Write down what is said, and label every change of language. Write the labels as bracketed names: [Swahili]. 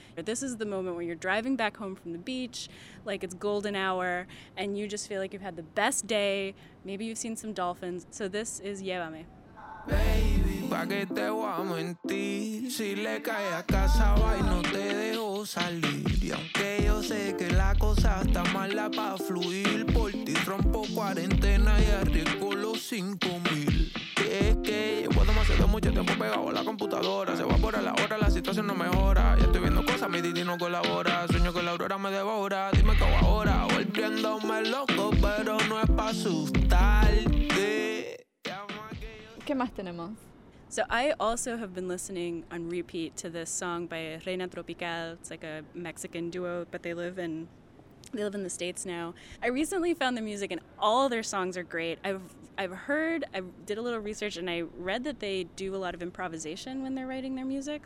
[English] This is the moment when you're driving back home from the beach, like it's golden hour, and you just feel like you've had the best day. Maybe you've seen some dolphins. So this is Llévame. [Spanish] Baby, pa' que te voy a mentir. Si le cae a casa, bye, no te dejo salir. Y aunque yo sé que la cosa está mala pa' fluir, por ti rompo cuarentena y arriesgo los 5,000. Es que llevo demasiado mucho tiempo pegado a la computadora. Se evapora la hora, la situación no mejora. Ya estoy viendo cosas, mi Didi no colabora. Sueño que la aurora me devora. Dime qué hago ahora. Volviéndome loco, pero no es para asustarte. ¿Qué más tenemos? [English] So I also have been listening on repeat to this song by Reina Tropical. It's like a Mexican duo, but they live in the States now. I recently found the music and all their songs are great. I did a little research and I read that they do a lot of improvisation when they're writing their music.